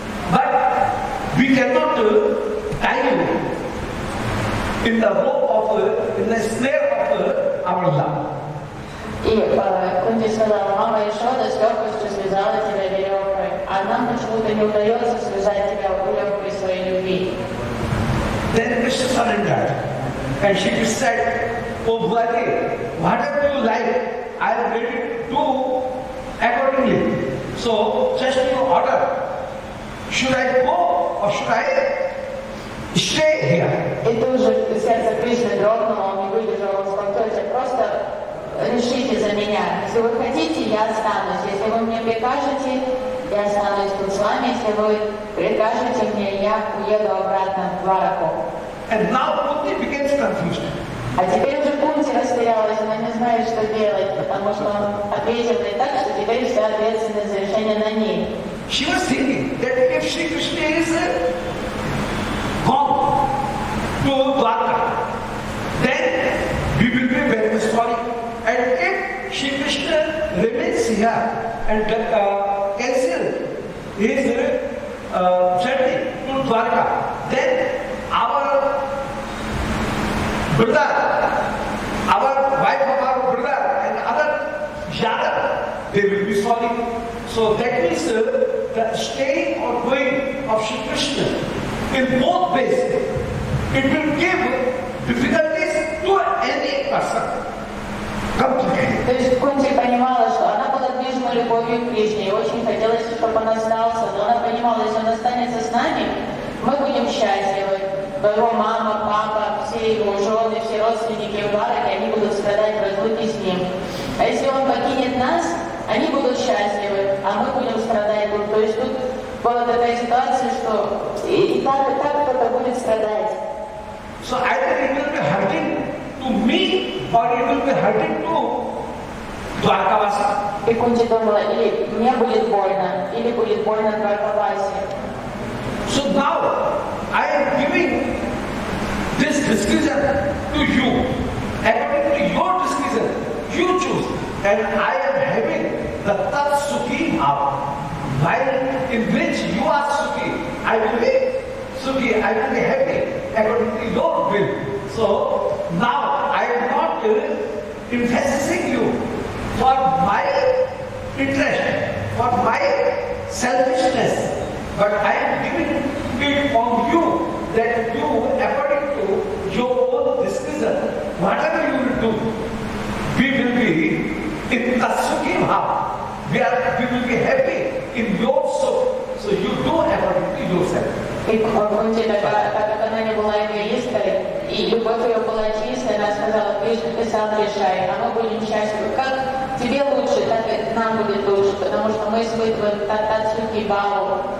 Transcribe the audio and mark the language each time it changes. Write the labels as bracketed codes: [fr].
[en] But we cannot tie you in the rope of in the snare of our love. [ru] И Кунти сказала, мама Яшода с легкостью связала тебя веревкой, а нам почему-то не удается связать тебя веревкой своей любви. [en] Then just surrendered. And she just said, "Oh Bhatta, whatever you like, I am ready to do accordingly. So just your order. Should I go or should I stay here?" [ru] И тут же сердце Кришны дрогнуло, он не выдержал, он сказал: «Тётя, просто решите за меня. Если вы хотите, я останусь. Если вы мне прикажете, я останусь тут с вами. Если вы прикажете мне, я уеду обратно в Двараку». [en] And now Kunti begins confused. [ru] А теперь уже Кунти растерялась, она не знает, что делать, потому что он ответил ей так, что теперь вся ответственность за решение на ней. [en] She was thinking that if Shri Krishna is gone to Dvaraka, then we will be very sorry. And if Shri Krishna remains here and cancels his journey to Dvaraka, then our brother, our wife of our brother and other Yadav, they will be sorry. So that means the staying or going of Shri Krishna in both ways, it will give difficulties to any person. [ru] То есть Кунти понимала, что она была движима любовью к Кришне, и очень хотелось, чтобы он остался. Но она понимала, если он останется с нами, мы будем счастливы. Его мама, папа, все его жены, все родственники в Двараке, они будут страдать в разлуке с ним. А если он покинет нас, они будут счастливы, а мы будем страдать. То есть тут была такая ситуация, что и так кто-то будет страдать. [en] So either it will be hurting to me, or it will be hurting to Dvarakavasi. [ru] И Кунти думала, или мне будет больно, или будет больно Дваракаваси. [en] So now I am giving this decision to you. According to your decision, you choose. And I am having the tat sukhi bhava. While in which you are sukhi, I will be sukhi, I will be happy according to your will. So now I am not emphasizing you for my interest, for my selfishness, but I am giving it on you that you, according to your own decision, whatever you will do, we will be in a sukhi bhava. We will be happy in your soul. So you do according to yourself. [ru] Она не была эгоисткой, и любовь ее была чистой, она сказала: «Кришна, ты сам решай, а мы будем счастливы. Как тебе лучше, так и нам будет лучше, потому что мы испытываем татсуки балу.